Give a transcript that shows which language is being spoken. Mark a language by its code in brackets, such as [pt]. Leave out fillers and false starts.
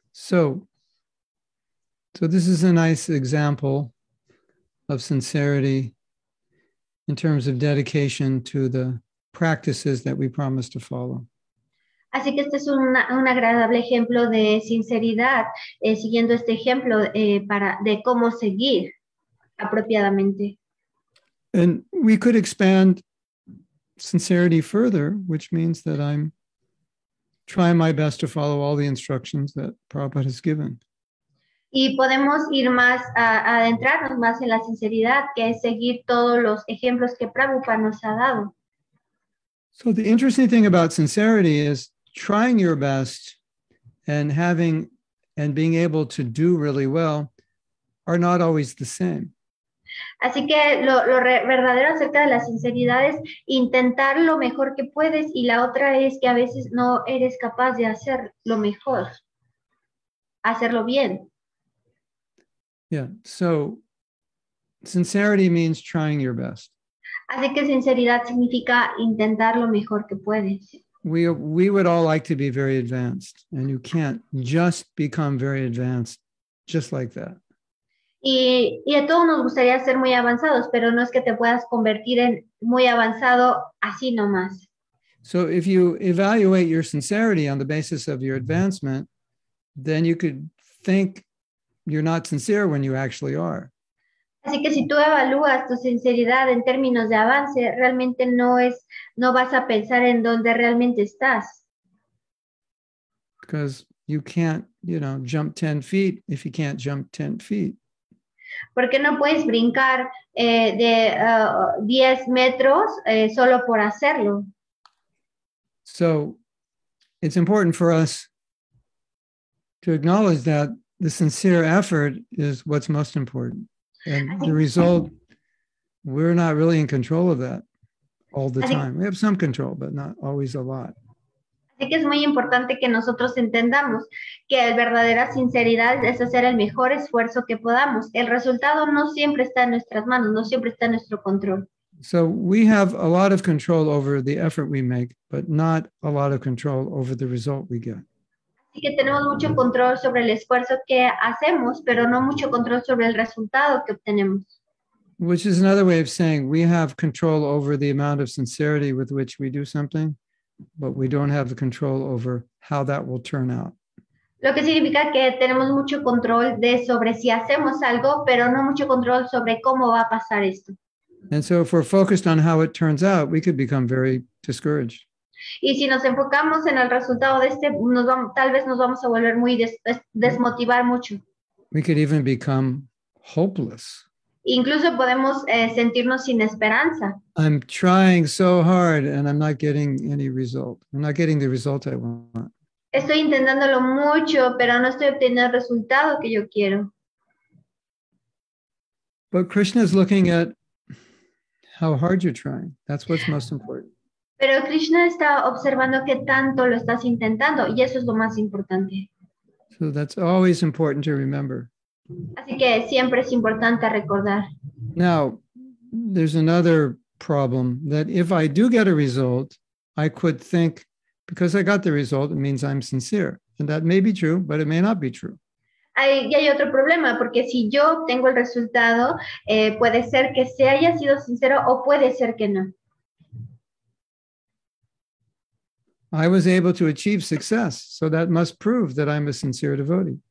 [en] So this is a nice example of sincerity in terms of dedication to the practices that we promise to follow. [es] Así que este es un agradable ejemplo de sinceridad, siguiendo este ejemplo para de cómo seguir apropiadamente. [en] And we could expand sincerity further, which means that I'm trying my best to follow all the instructions that Prabhupada has given. [es] Y podemos ir más, adentrarnos más en la sinceridad, que es seguir todos los ejemplos que Prabhupada nos ha dado. [en] So the interesting thing about sincerity is trying your best and being able to do really well are not always the same. [es] Así que lo verdadero acerca de la sinceridad es intentar lo mejor que puedes y la otra es que a veces no eres capaz de hacer lo mejor, hacerlo bien. [en] Yeah, so sincerity means trying your best. [es] Así que sinceridad significa intentar lo mejor que puedes. [en] We would all like to be very advanced, and you can't just become very advanced just like that. [es] Y a todos nos gustaría ser muy avanzados, pero no es que te puedas convertir en muy avanzado así nomás. [en] So if you evaluate your sincerity on the basis of your advancement, then you could think you're not sincere when you actually are. [es] Así que si tú evalúas tu sinceridad en términos de avance, realmente no vas a pensar en dónde realmente estás. [en] Because you can't, jump 10 feet if you can't jump 10 feet. [es] Porque no puedes brincar de 10 metros solo por hacerlo. [en] So it's important for us to acknowledge that the sincere effort is what's most important. And the result we're not really in control of that all the time. We have some control, but not always a lot. [es] Así que es muy importante que nosotros entendamos que la verdadera sinceridad es hacer el mejor esfuerzo que podamos. El resultado no siempre está en nuestras manos, no siempre está en nuestro control. [en] So we have a lot of control over the effort we make, but not a lot of control over the result we get. [es] Así que tenemos mucho control sobre el esfuerzo que hacemos, pero no mucho control sobre el resultado que obtenemos. [en] Which is another way of saying we have control over the amount of sincerity with which we do something, but we don't have the control over how that will turn out. [es] Lo que significa que tenemos mucho control de sobre si hacemos algo, pero no mucho control sobre cómo va a pasar esto. [en] And so if we're focused on how it turns out, we could become very discouraged. [es] Y si nos enfocamos en el resultado de este, tal vez nos vamos a volver muy desmotivar mucho. [en] We could even become hopeless. [es] Incluso podemos sentirnos sin esperanza. [en] I'm trying so hard and I'm not getting any result. I'm not getting the result I want. [es] Estoy intentándolo mucho, pero no estoy obteniendo el resultado que yo quiero. [en] But Krishna is looking at how hard you're trying. That's what's most important. [es] Pero Krishna está observando qué tanto lo estás intentando y eso es lo más importante. [en] So that's always important to remember. [es] Así que siempre es importante recordar. [en] Now, there's another problem that if I do get a result, I could think, because I got the result, it means I'm sincere. And that may be true, but it may not be true. [es] Hay otro problema, porque si yo tengo el resultado, puede ser que se haya sido sincero o puede ser que no. [en] I was able to achieve success, so that must prove that I'm a sincere devotee.